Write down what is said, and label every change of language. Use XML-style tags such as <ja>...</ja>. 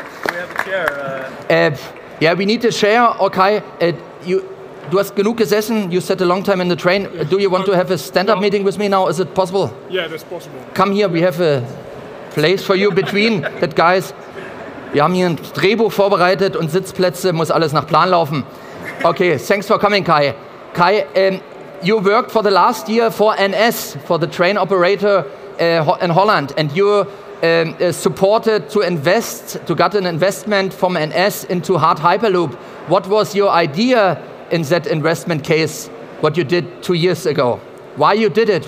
<en>We have a chair. We need a chair. Okay,</en> <de>du hast genug gesessen.</de> <en>You sat a long time in the train. Yeah. Do you want to have a stand-up meeting with me now? Is it possible? Yeah, that's possible. Come here. We have a place for you between that, guys.</en> <de>Wir haben hier ein Drehbuch vorbereitet und Sitzplätze, muss alles nach Plan laufen.</de> <en>Okay, thanks for coming, Kai. Kai, you worked for the last year for NS, for the train operator in Holland, and you supported to invest, to get an investment from NS into Hard Hyperloop. What was your idea in that investment case, what you did 2 years ago? Why you did it?</en>